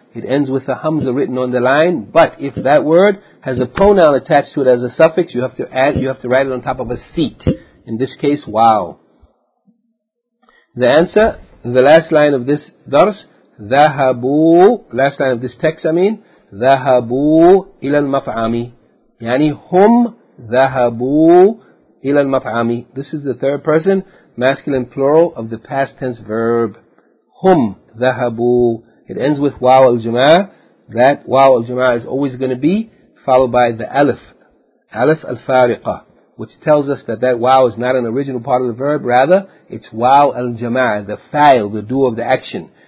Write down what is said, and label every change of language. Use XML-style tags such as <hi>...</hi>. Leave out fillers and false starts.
<en>It ends with a hamza written on the line. But if that word has a pronoun attached to it as a suffix, you have to add, you have to write it on top of a seat. In this case, wow. The answer, the last line of this dars, ذهبوا, last line of this text, I mean,</en> <ar>ذهبوا إلى المطعم. يعني هم ذهبوا إلى المطعم.</ar> <en>This is the third person, masculine plural of the past tense verb.</en> <ar>هم ذهبوا.</ar> <en>It ends with واو الجماعه. That واو الجماعه is always going to be followed by the alif. Alif الفارقه. Which tells us that that waw is not an original part of the verb, rather, it's waw al-jama'ah, the fa'il, the do of the action.</en>